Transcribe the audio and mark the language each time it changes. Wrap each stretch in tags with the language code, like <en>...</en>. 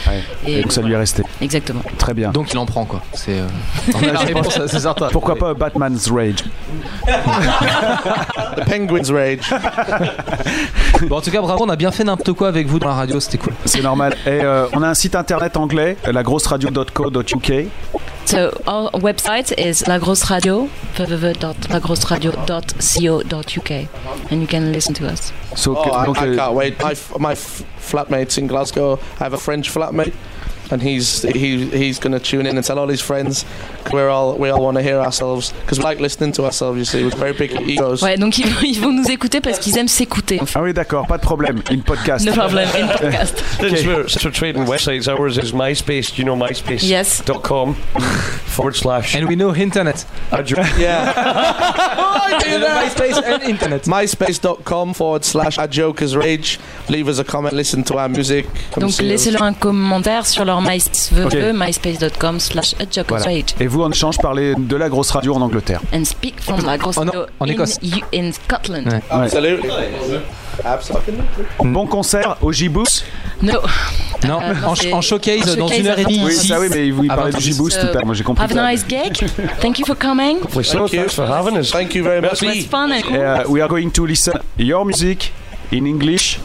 <fr>ouais. Et donc ça lui est resté, exactement, très bien, donc il en prend, quoi, c'est certain. Pourquoi pas Batman's Rage,</fr> <en>the Penguin's Rage.</en> <fr>Bon, en tout cas, bravo, on a bien fait n'importe quoi avec vous dans la radio, c'était cool. C'est normal. Et on a un site internet anglais, lagrosseradio.co.uk.</fr> <en>So our website is lagrosseradio.co.uk, and you can listen to us. So, I can't wait. My flatmate's in Glasgow. I have a French flatmate, and he's going to tune in and tell all his friends. We all want to hear ourselves, because we like listening to ourselves. You see, we're very big egos.</en> <fr>Ouais, donc ils vont nous écouter parce qu'ils aiment s'écouter. Ah oui, d'accord, pas de problème. Une podcast.</fr> <en>No problem.</en> <fr>Une podcast.</fr> <en>Okay. Since we're trading websites, ours is MySpace. Do you know MySpace? Yes. .com/ And we know internet. Address. Yeah. MySpace and internet. MySpace.com/ A Joker's Rage. Leave us a comment. Listen to our music. Come</en> <fr>donc laissez-leur un commentaire sur leur MySpace.</fr> <en>Okay. MySpace.com/ A Joker's voilà. Rage.</en> <fr>Et vous, en échange, parlez de la grosse radio en Angleterre.</fr> <en>And speak from la grosse radio</en> <fr>en Écosse.</fr> <en>In Scotland.</en> <fr>Ouais. Absolument. Bon concert au G-Boost. No. Non, en showcase dans une heure et demie. Oui, ça oui, mais vous parlez du G-Boost tout à l'heure, moi j'ai compris.</fr> <en>have a nice gig. Thank you for coming. Thanks for having us. Thank you very much. It was fun. We are going to listen your music in English.</en>